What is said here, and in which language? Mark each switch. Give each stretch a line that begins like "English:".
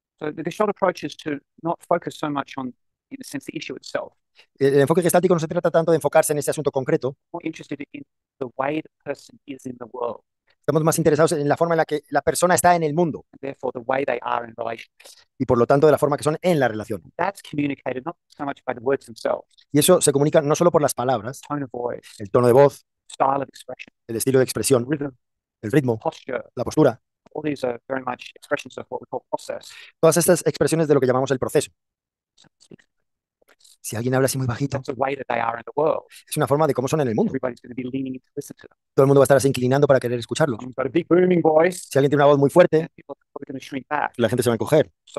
English: So the short approach is to not focus so much on, in a sense, the issue itself.
Spanish: El enfoque gestáltico no se trata tanto de enfocarse en ese asunto concreto.
English: More interested in the way the person is in the world.
Spanish: Estamos más interesados en la forma en la que la persona está en el mundo.
English: Therefore, the way they are in relationships.
Spanish: Y por lo tanto, de la forma que son en la relación.
English: That's communicated not so much by the words themselves.
Spanish: Y eso se comunica no solo por las palabras,
English: tone of voice,
Spanish: el tono de voz,
English: style of expression,
Spanish: el estilo de expresión,
English: rhythm,
Spanish: el ritmo,
English: posture,
Spanish: la postura.
English: All these are very much expressions of what we call process.
Spanish: Todas estas expresiones de lo que llamamos el proceso. Si alguien habla así muy bajito, es una forma de cómo son en el mundo. Todo el mundo va a estar así inclinando para querer escucharlo. Si alguien tiene una voz muy fuerte, la gente se va a encoger.